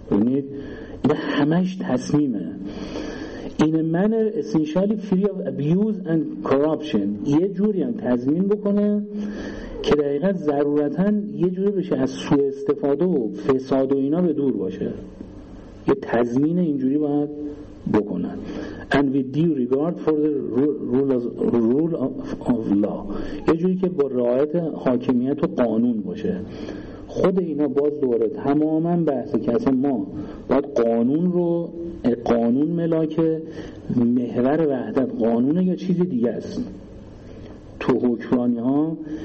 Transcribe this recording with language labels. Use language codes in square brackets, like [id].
[fa] ببینید این همش تصمیمه. این [en] manner essentially free of abuse and corruption، [fa] یه جوری هم تضمین بکنه که دقیقا ضرورتا یه جوری بشه از سوء استفاده و فساد و اینا به دور باشه، یه تضمین اینجوری باید بکنن. [en] and with due regard for the rule of law. [fa] یه جوری که با رعایت حاکمیت و قانون باشه. خود اینا باز دوباره تماما بحث کسی ما باید قانون رو، قانون ملاک محور وحدت قانون یا چیز دیگه است تو حکمرانی ها.